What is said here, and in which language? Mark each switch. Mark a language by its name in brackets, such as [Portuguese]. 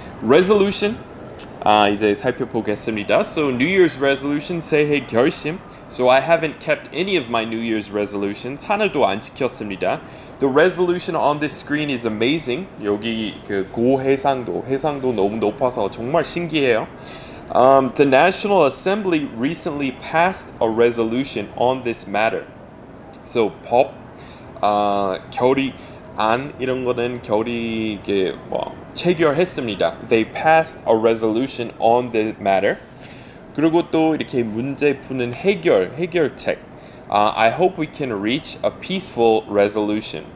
[Korean] Resolution, 이제 살펴보겠습니다. [English] So New Year's resolution, [Korean] 새해 결심. [English] So I haven't kept any of my New Year's resolutions, [Korean] 하나도 안 지켰습니다. [English] The resolution on this screen is amazing. [Korean] 여기 그 해상도 너무 높아서 정말 신기해요. [English] The National Assembly recently passed a resolution on this matter. [Korean] So 법, 결의안 이런 거는 결의 이게 뭐 체결했습니다. [English] They passed a resolution on this matter. [Korean] 그리고 또 이렇게 문제 푸는 해결책. [English] I hope we can reach a peaceful resolution.